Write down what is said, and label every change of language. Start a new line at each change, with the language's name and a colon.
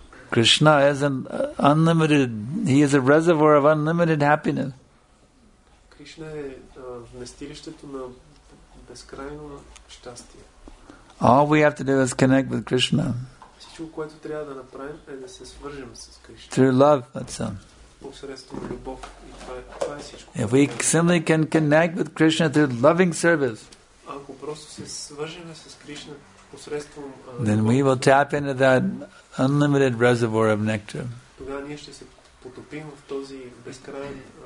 English: Krishna is an unlimited, he is a reservoir of unlimited happiness.
Bulgarian: Krishna е вместилището на безкрайно щастие.
English: All we have to do is connect with Krishna.
Bulgarian: Всичко, което трябва да направим, е да се свържим с Кришна.
English: Through love, that's all.
Bulgarian: Посредством любов. И това е всичко.
English: If we simply can connect with Krishna through loving service,
Bulgarian: ако просто се свържим с Кришна посредством
English: then we will tap into that unlimited reservoir of nectar.
Bulgarian: Тогава ние ще се потопим в този безкрайен.